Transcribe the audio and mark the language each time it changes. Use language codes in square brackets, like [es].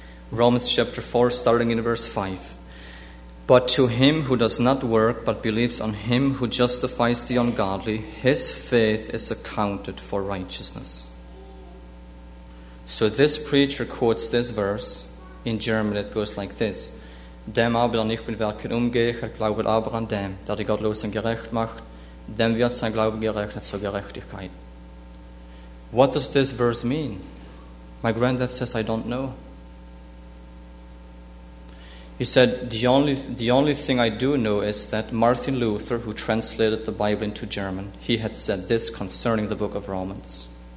[en] Romans chapter 4, starting in verse 5. But to him who does not work but believes on him who justifies the ungodly, his faith is accounted for righteousness. So this preacher quotes this verse. In German it goes like this. [de] Dem aber nicht mit Werken umgehe, glaube aber an dem, der die Gottlosen gerecht macht, dem wird sein Glauben gerechnet zur Gerechtigkeit. [en] What does this verse mean? My granddad says, I don't know. He said, the only thing I do know is that Martin Luther, who translated the Bible into German, he had said this concerning the book of Romans.